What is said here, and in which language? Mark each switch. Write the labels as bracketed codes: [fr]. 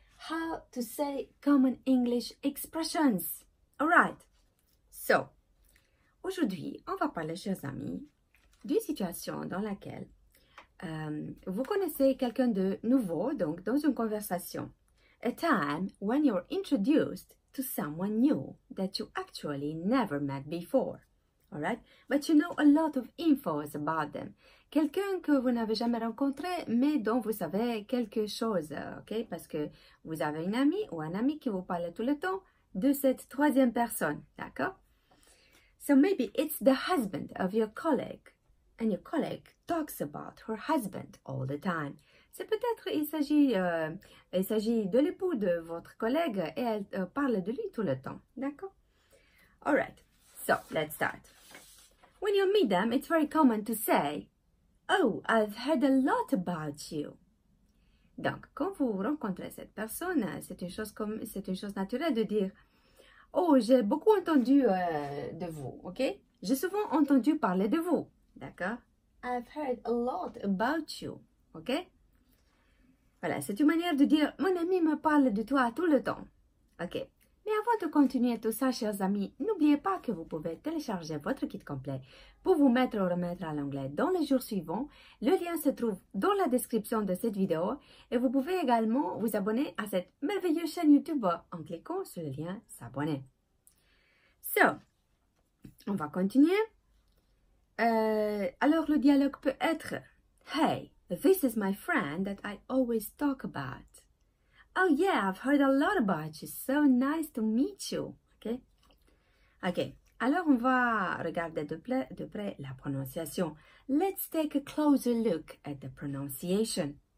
[en] How to say common English expressions. Alright, so, [fr] aujourd'hui, on va parler, chers amis, d'une situation dans laquelle vous connaissez quelqu'un de nouveau, donc dans une conversation. [en] A time when you're introduced to someone new that you actually never met before. Alright? But you know a lot of infos about them. [fr] Quelqu'un que vous n'avez jamais rencontré, mais dont vous savez quelque chose, ok? Parce que vous avez une amie ou un ami qui vous parle tout le temps de cette troisième personne, d'accord? [en] So maybe it's the husband of your colleague. And your colleague talks about her husband all the time. [fr] C'est peut-être il s'agit de l'époux de votre collègue et elle parle de lui tout le temps. D'accord? [en] All right. So, let's start. When you meet them, it's very common to say, Oh, I've heard a lot about you. [fr] Donc, quand vous rencontrez cette personne, c'est une chose naturelle de dire, Oh, j'ai beaucoup entendu de vous, ok? J'ai souvent entendu parler de vous. D'accord? [en] I've heard a lot about you. [fr] Ok? Voilà, c'est une manière de dire mon ami me parle de toi tout le temps. Ok. Mais avant de continuer tout ça, chers amis, n'oubliez pas que vous pouvez télécharger votre kit complet pour vous mettre ou remettre à l'anglais dans les jours suivants. Le lien se trouve dans la description de cette vidéo et vous pouvez également vous abonner à cette merveilleuse chaîne YouTube en cliquant sur le lien s'abonner. [en] So, [fr] on va continuer. Alors, le dialogue peut être [en] « Hey, this is my friend that I always talk about. Oh yeah, I've heard a lot about you. So nice to meet you. » Ok? Ok. [fr] Alors, on va regarder de près la prononciation. [en] Let's take a closer look at the pronunciation.